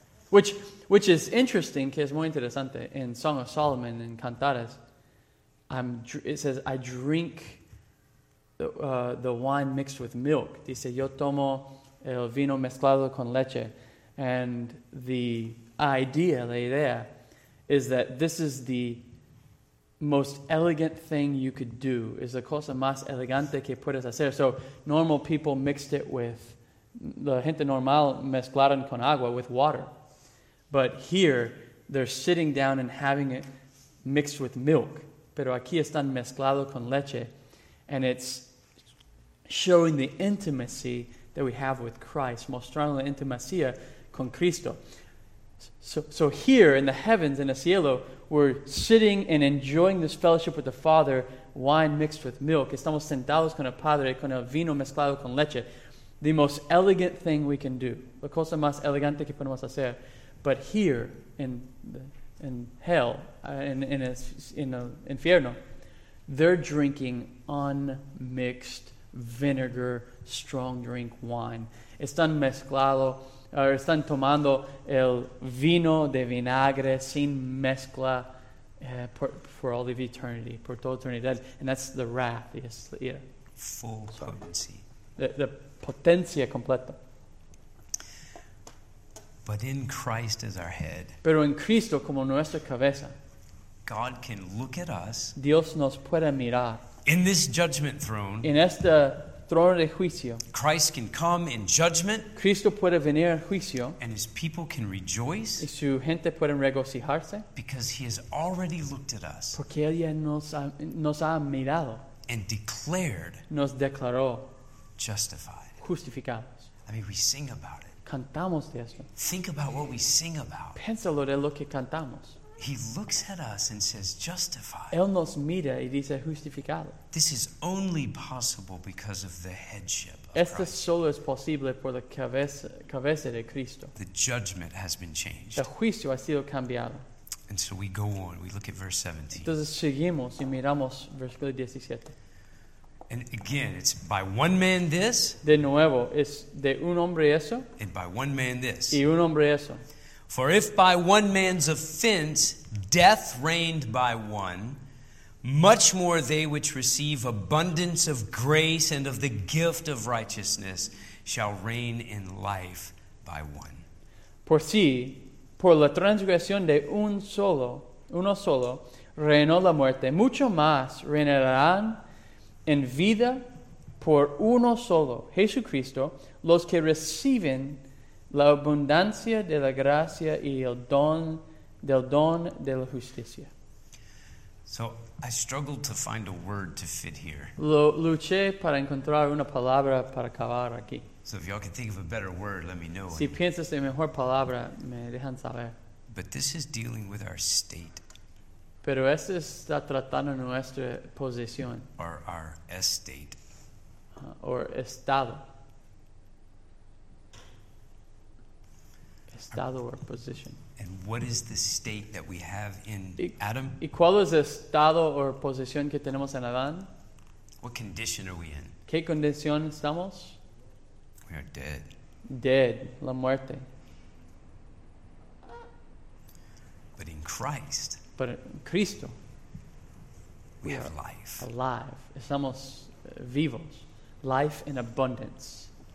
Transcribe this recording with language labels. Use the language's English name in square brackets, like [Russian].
[English] Which is interesting, [Spanish] que es muy interesante, [English] in Song of Solomon, in Cantares, it says, I drink the wine mixed with milk. [Spanish] Dice, yo tomo el vino mezclado con leche. [English] And the idea, [Spanish] la idea, [English] is that this is the most elegant thing you could do. [Spanish] Es la cosa más elegante que puedes hacer. [English] So normal people mixed it with, [Spanish] la gente normal mezclaron con agua, [English] with water. But here, they're sitting down and having it mixed with milk. [Spanish] Pero aquí están mezclado con leche. [English] And it's showing the intimacy that we have with Christ. [Spanish] Mostrando la intimacia con Cristo. [English] So here in the heavens, in the cielo, we're sitting and enjoying this fellowship with the Father, wine mixed with milk. [Spanish] Estamos sentados con el Padre, con el vino mezclado con leche. [English] The most elegant thing we can do. [Spanish] La cosa más elegante que podemos hacer. [English] But here in hell, in infierno, they're drinking unmixed vinegar, strong drink wine. [Spanish] Están mezclado, están tomando el vino de vinagre sin mezcla [English] for all of eternity, [Spanish] por toda eternidad. [English] And that's the wrath, yes, yeah. Full potency. [Spanish] The potencia completa. [English] But in Christ as our head. [Spanish] Pero en Cristo como nuestra cabeza. [English] God can look at us. [Spanish] Dios nos puede mirar. [English] In this judgment throne. [Spanish] En este trono de juicio. [English] Christ can come in judgment. [Spanish] Cristo puede venir en juicio. [English] And his people can rejoice. [Spanish] Y su gente puede regocijarse. [English] Because he has already looked at us. [Spanish] Porque él ya nos ha mirado. [English] And declared. [Spanish] Nos declaró. [English] Justified. [Spanish] Justificados. [English] I mean, we sing about it. [Spanish] Cantamos de esto. [English] Think about what we sing about. [Spanish] Piénsalo de lo que cantamos. [English] He looks at us and says, justified. [Spanish] Él nos mira y dice, justificado. [English] This is only possible because of the headship of [Spanish] esto [English] Christ. [Spanish] Esto solo es posible por la cabeza de Cristo. [English] The judgment has been changed. [Spanish] El juicio ha sido cambiado. [English] And so we go on. We look at verse 17. [Spanish] Entonces seguimos y miramos versículo 17. [English] And again, it's by one man this. [Spanish] De nuevo, es de un hombre eso. [English] And by one man this. [Spanish] Y un hombre eso. [English] For if by one man's offense death reigned by one, much more they which receive abundance of grace and of the gift of righteousness shall reign in life by one. [Spanish] Por si, por la transgresión de uno solo, reinó la muerte, mucho más reinarán en vida por uno solo, Jesucristo, los que reciben la abundancia de la gracia y el don de la justicia. [English] So, I struggled to find a word to fit here. [Spanish] Luché para encontrar una palabra para acabar aquí. [English] So if y'all can think of a better word, let me know. [Spanish] Si piensas en mejor palabra, me dejan saber. [English] But this is dealing with our state. [Spanish] Pero este está tratando nuestra posición. [English] Or our estate. [Spanish] Or estado. [English] Estado or position. And what is the state that we have in Adam? [Spanish] ¿Y cuál es el estado o posición que tenemos en Adán? [English] What condition are we in? [Spanish] ¿Qué condición estamos? [English] We are dead. [Spanish] Dead, la muerte. [English] But in Christ. But in Cristo. We have life. Alive. [Spanish] Estamos vivos. [English] Life in abundance.